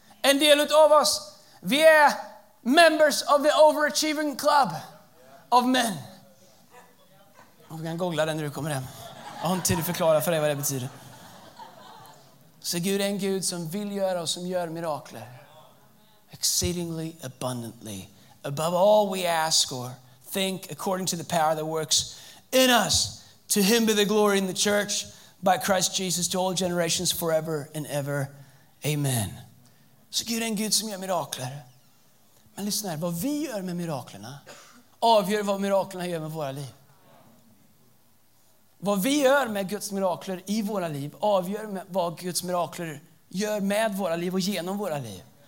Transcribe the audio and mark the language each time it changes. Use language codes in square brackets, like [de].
[sv] En del av oss, vi är [en] members of the overachieving club of men. [sv] Och vi kan googla den när du kommer hem. Jag har inte tid att förklara för dig vad det betyder. Så Gud är en Gud som vill göra och som gör mirakler. [en] Exceedingly abundantly. Above all we ask or think according to the power that works in us. To him be the glory in the church by Christ Jesus to all generations forever and ever. Amen. [sv] Så Gud är en Gud som gör mirakler. Men lyssna här, vad vi gör med miraklerna avgör vad miraklerna gör med våra liv. Vad vi gör med Guds mirakler i våra liv avgör vad Guds mirakler gör med våra liv och genom våra liv.